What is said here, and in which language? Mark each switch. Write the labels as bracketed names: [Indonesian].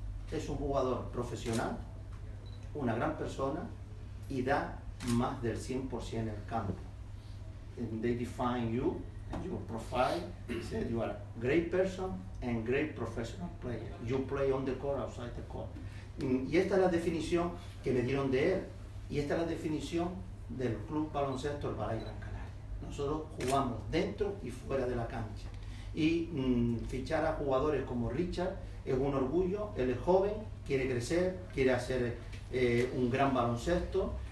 [Spanish] Es un jugador profesional, una gran persona y da más del 100% en el campo. [English] And they define you, and your profile, said you are a great person and great professional player. You play on the court, outside the court. [Spanish] Y esta es la definición que me dieron de él. Y esta es la definición del Club Baloncesto El Baray Gran Canaria. Nosotros jugamos dentro y fuera de la cancha. Y fichar a jugadores como Richard es un orgullo. Él es joven, quiere crecer, quiere hacer un gran baloncesto.